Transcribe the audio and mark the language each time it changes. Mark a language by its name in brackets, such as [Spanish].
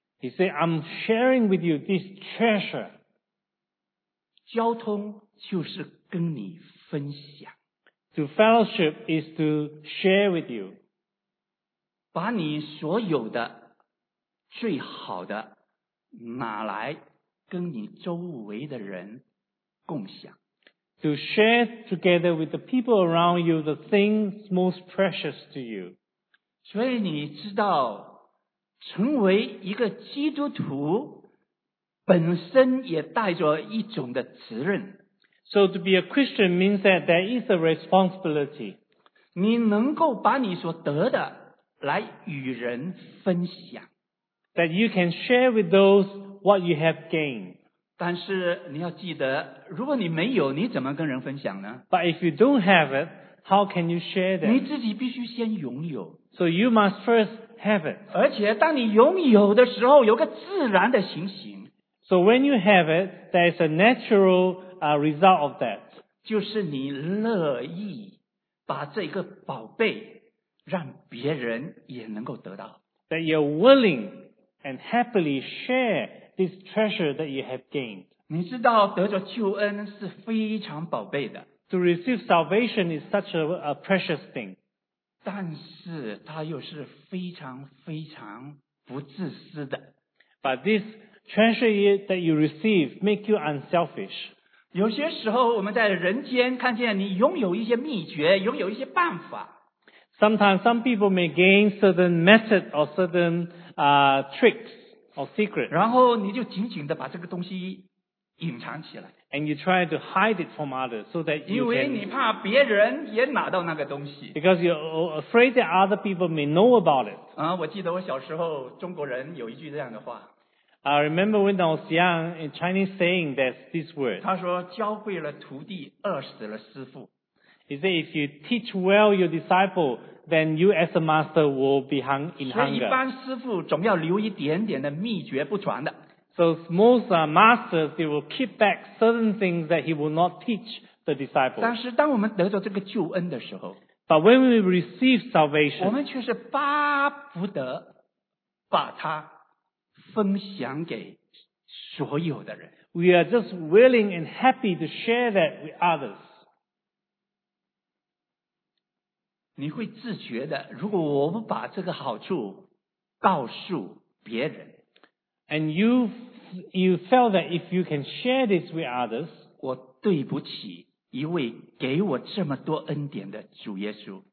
[English] He said, I'm sharing with you this treasure. [Chinese] 交通就是跟你分享。 [English] To fellowship is to share with you. [Chinese] 把你所有的最好的拿来跟你周围的人共享。 [English] To share together with the people around you the things most precious to you. [Chinese] 所以你知道成为一个基督徒本身也带着一种的责任。 [English] So to be a Christian means that there is a responsibility. [Chinese] 你能够把你所得的来与人分享。 [English] That you can share with those what you have gained. [Chinese] 但是你要记得如果你没有你怎么跟人分享呢 [English] ?But if you don't have it, how can you share that? [Chinese] 你自己必须先拥有。 [English] So you must first have it. [Chinese] 而且当你拥有的时候有个自然的情形。 [English] So when you have it, there is a natural result of that. [Chinese] 就是你乐意把这个宝贝让别人也能够得到。 [English] That you're willing and happily share this treasure that you have gained. [Chinese] 你知道得着救恩是非常宝贝的。 [English] To receive salvation is such a precious thing. [Chinese] 但是他又是非常非常不自私的。 [English] But this treasure that you receive make you unselfish. [Chinese] 有些时候我们在人间看见你拥有一些秘诀，拥有一些办法。 [English] Sometimes some people may gain certain method or certain tricks or secrets. [Chinese] 然后你就紧紧地把这个东西隐藏起来。 [English] And you try to hide it from others so that you can. [Chinese] 因为你怕别人也拿到那个东西。 [English] Because you're afraid that other people may know about it. [Chinese] 我记得我小时候中国人有一句这样的话。 [English] I remember when I was young, a Chinese saying that's this word. [Chinese] 他说教会了徒弟，饿死了师父。 [English] He said if you teach well your disciple, then you as a master will be hung in hunger. [Chinese] 所以一般师父总要留一点点的秘诀不传的。 [English] So most masters, they will keep back certain things that he will not teach the disciples. [Chinese] 但是当我们得着这个救恩的时候 [English] But when we receive salvation, [Chinese] 我们却是巴不得把它分享给所有的人。 [English] We are just willing and happy to share that with others. [Chinese] 你会自觉的，如果我不把这个好处告诉别人， [English] And you felt that if you can share this with others, [Chinese] 我对不起一位给我这么多恩典的主耶稣。